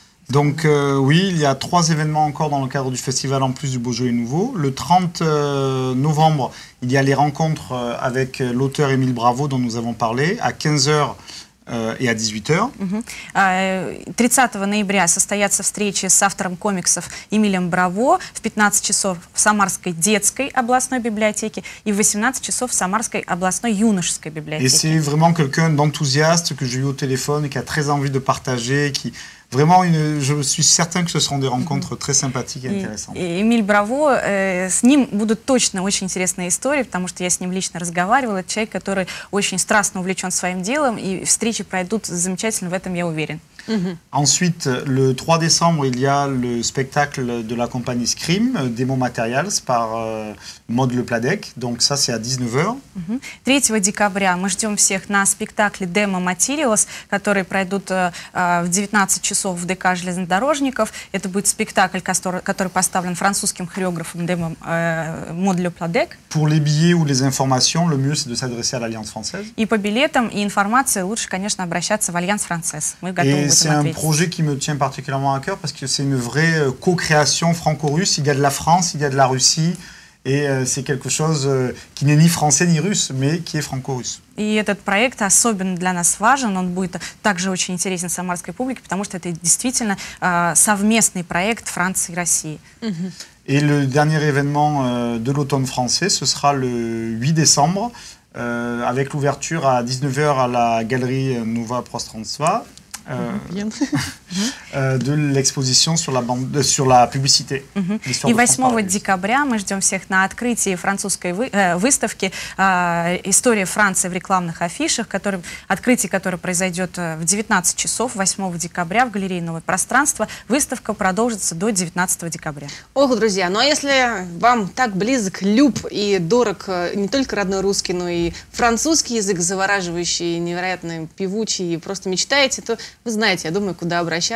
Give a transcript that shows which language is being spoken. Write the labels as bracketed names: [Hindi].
[French] Donc oui, il y a trois événements encore dans le cadre du festival en plus du Beaujolais Nouveau. Le 30 novembre, il y a les rencontres avec l'auteur Émile Bravo dont nous avons parlé à 15h. [Russian] И 18h. 30 ноября состоятся встречи с автором комиксов Эмилем Браво в 15 часов в Самарской детской областной библиотеке и в 18 часов в Самарской областной юношеской библиотеке. [French] Et c'est vraiment quelqu'un d'enthousiaste que j'ai eu au téléphone et qui a très envie de partager, qui vraiment une, je suis certain que ce seront des rencontres très sympathiques et intéressantes. [Russian] Эмиль Браво, с ним будут точно очень интересные истории, потому что я с ним лично разговаривала. Это человек, который очень страстно увлечен своим делом, и встречи пройдут замечательно, в этом я уверен. [French] Ensuite, le 3 décembre, il y a le spectacle de la compagnie Scream, Demo Materials, par Maud Le Pladec. Donc ça, c'est à 19h. [Russian] 3 декабря мы ждем всех на спектакле Demo Materials, который пройдут в 19 часов в ДК железнодорожников. Это будет спектакль, который поставлен французским хореографом Demo Maud Le Pladec. [French] Pour les billets ou les informations, le mieux, c'est de s'adresser à l'Alliance Française. [Russian] И по билетам и информации лучше, конечно, обращаться в Альянс Францез. Мы готовы. [French] Et c'est un projet qui me tient particulièrement à cœur parce que c'est une vraie co-création franco-russe. Il y a de la France, il y a de la Russie et c'est quelque chose qui n'est ni français ni russe, mais qui est franco-russe. [Russian] И этот проект особенно для нас важен, он будет также очень интересен самарской публике, потому что это действительно совместный проект Франции и России. [French] Et le dernier événement de l'automne français, ce sera le 8 décembre avec l'ouverture à 19h à la galerie Nova Prostranstva. De l'exposition sur la bande, sur la publicité. [Russian] И 8 декабря мы ждем всех на открытии французской выставки «История Франции в рекламных афишах», открытие которой произойдет в 19 часов 8 декабря в галерее «Новое пространство». Выставка продолжится до 19 декабря. Ох, друзья, ну а если вам так близок, люб и дорог не только родной русский, но и французский язык, завораживающий, невероятно певучий, и просто мечтаете, то вы знаете, я думаю, куда обращаться.